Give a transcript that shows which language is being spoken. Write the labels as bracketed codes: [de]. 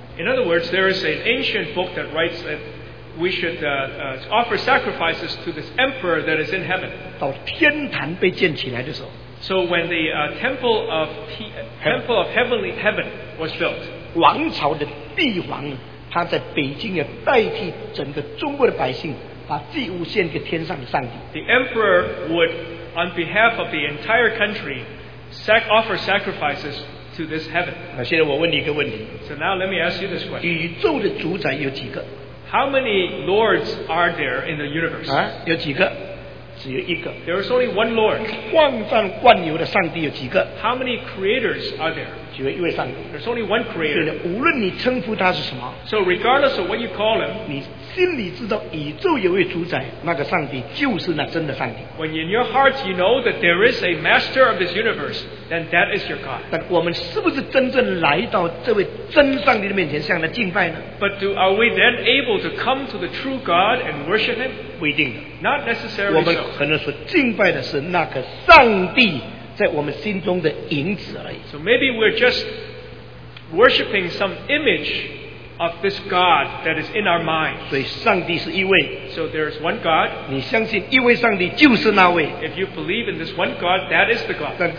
[en] In other words, there is an ancient book that writes that we should offer sacrifices to this emperor that is in heaven. [zh] 到天坛被建起来的时候, [en] so when the temple of heaven was built, [zh] 王朝的帝王, 他在北京也代替整个中国的百姓把祭物献给天上的上帝。 [en] The emperor would, on behalf of the entire country, offer sacrifices to this heaven. [zh] 现在我问你一个问题, [en] so now let me ask you this question. [zh] 宇宙的主宰有几个? [en] How many lords are there in the universe? [zh] 啊, 有几个?只有一个。 [en] There is only one Lord. [zh] 万战万有的上帝有几个? [en] How many creators are there? [zh] 只有一位上帝。 [en] There's only one creator. [zh] 无论你称呼他是什么, [en] so regardless of what you call him, [zh] 你心里知道宇宙有位主宰, 那个上帝就是那真的上帝。 [en] When in your heart you know that there is a master of this universe, then that is your God. [zh] 但我们是不是真正来到这位真上帝的面前向他敬拜呢? [en] But are we then able to come to the true God and worship him? [zh] 不一定的。 [en] Not necessarily. [zh] 我们可能所敬拜的是那个上帝在我们心中的影子而已。 [en] So maybe we're just worshipping some image of this God that is in our mind. [zh] 所以上帝是一位。 [en] So there is one God. [zh] 你相信一位上帝就是那位。 [en] If you believe in this one God, that is the God.